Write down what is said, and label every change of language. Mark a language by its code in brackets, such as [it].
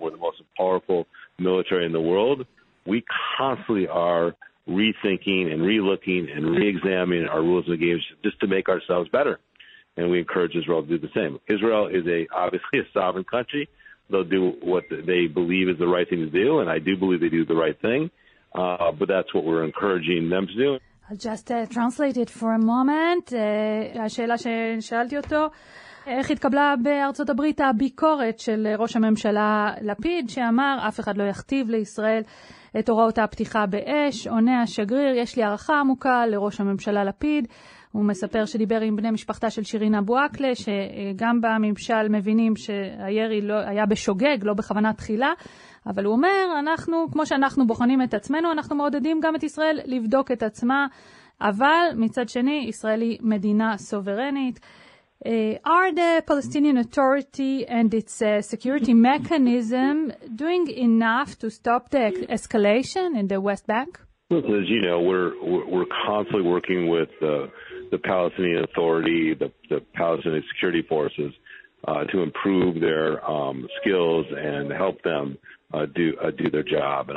[en] We're the most powerful military in the world. We constantly are rethinking and relooking and reexamining our rules and games just to make ourselves better. And we encourage Israel to do the same. Israel is obviously a sovereign country. They'll do what they believe is the right thing to do, and I do believe they do the right thing. But that's what we're encouraging them to do. I'll just translate it for a moment. [he] השאלה ששאלתי אותו, איך התקבלה בארצות הברית הביקורת של ראש הממשלה לפיד, שאמר, אף אחד לא יכתיב לישראל את הוראות הפתיחה באש. עונה השגריר, יש לי ערכה עמוקה לראש הממשלה לפיד. הוא מספר שדיבר עם בני משפחתה של שירין אבו אקלה, שגם בממשל מבינים שהירי לא, היה בשוגג, לא בכוונה תחילה. אבל הוא אומר, אנחנו, כמו שאנחנו בוחנים את עצמנו, אנחנו מעודדים גם את ישראל לבדוק את עצמה. אבל מצד שני, ישראל היא מדינה סוברנית. [en] Are the Palestinian Authority and its security mechanism doing enough to stop the escalation in the West Bank? Listen, as you know, we're constantly working with the Palestinian Authority, the Palestinian security forces, to improve their skills and help them do their job.